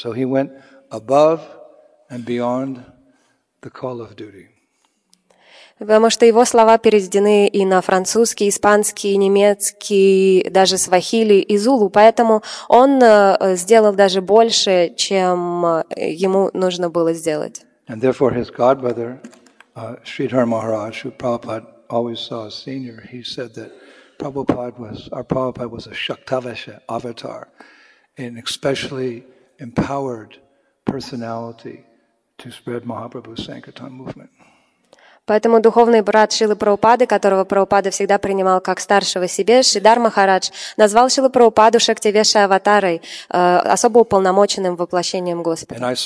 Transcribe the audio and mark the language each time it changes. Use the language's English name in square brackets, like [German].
[English] So he went above and beyond the call of duty. [Russian] Потому что его слова переведены и на французский, испанский, немецкий, даже свахили и зулу. Поэтому он сделал даже больше, чем ему нужно было сделать. [English] And therefore his godbrother, Sridhar Maharaj, who Prabhupada always saw as senior, he said that Prabhupada was a Shaktavesha avatar, an especially empowered personality to spread Mahaprabhu's Sankirtan movement. [Russian] Поэтому духовный брат Шрилы Прабхупады, которого Прабхупада всегда принимал как старшего себе, Шридхар Махарадж, назвал Шрилу Прабхупаду Шактивеша Аватарой, особо уполномоченным воплощением Господа.